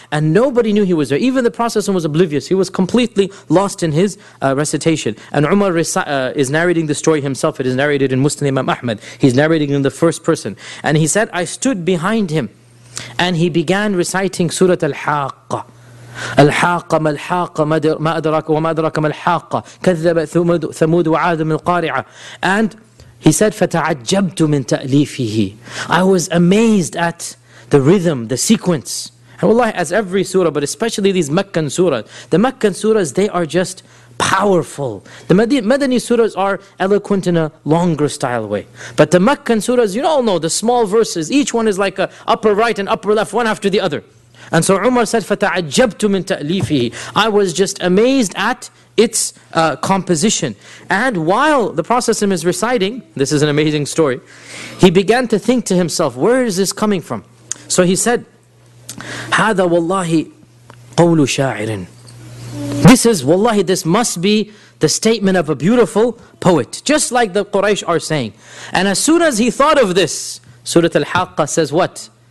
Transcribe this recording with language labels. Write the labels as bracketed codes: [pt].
[en] And nobody knew he was there. Even the Prophet ﷺ was oblivious. He was completely lost in his recitation. And Umar is narrating the story himself. It is narrated in Muslim Imam Ahmad. He's narrating in the first person. And he said, I stood behind him and he began reciting Surah Al-Haqqah. [ar] الحاقة ما الحاقة ما أدرك وما أدرك ما الحاقة كذب ثمود وعاد من القارعة. [en] And he said, [ar] فَتَعَجَّبْتُ مِن تَأْلِيفِهِ. [en] I was amazed at the rhythm, the sequence. And wallahi, as every surah, but especially these Meccan surahs, the Meccan surahs, they are just powerful. The Madani surahs are eloquent in a longer style way. But the Meccan surahs, you all know, the small verses, each one is like a upper right and upper left, one after the other. And so Umar said, [ar] فَتَعَجَّبْتُ مِنْ تَأْلِيفِهِ. [en] I was just amazed at its composition. And while the Prophet is reciting, this is an amazing story, he began to think to himself, where is this coming from? So he said, [ar] هَذَا وَاللَّهِ قَوْلُ شَاعِرٍ. [en] This is, wallahi, this must be the statement of a beautiful poet. Just like the Quraysh are saying. And as soon as he thought of this, Surah Al-Haqqa says what?